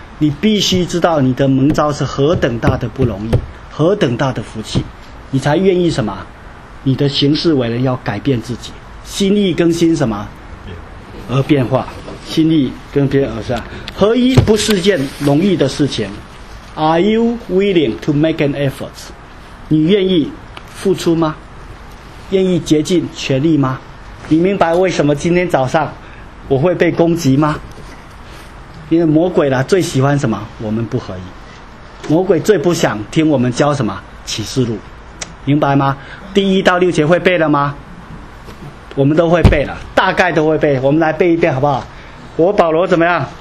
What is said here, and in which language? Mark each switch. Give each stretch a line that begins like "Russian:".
Chinese: 你必须知道你的蒙召是何等大的不容易，何等大的福气，你才愿意什么？你的行事为人要改变自己，心意更新什么而变化，心意更变而是合一，不是件容易的事情。
English: Are you willing to make an effort?
Chinese: 你愿意付出吗？愿意竭尽全力吗？你明白为什么今天早上我会被攻击吗？因为魔鬼啦最喜欢什么？我们不合一。魔鬼最不想听我们教什么启示录，明白吗？第一到六节会背了吗？我们都会背了，大概都会背，我们来背一遍好不好？我保罗怎么样？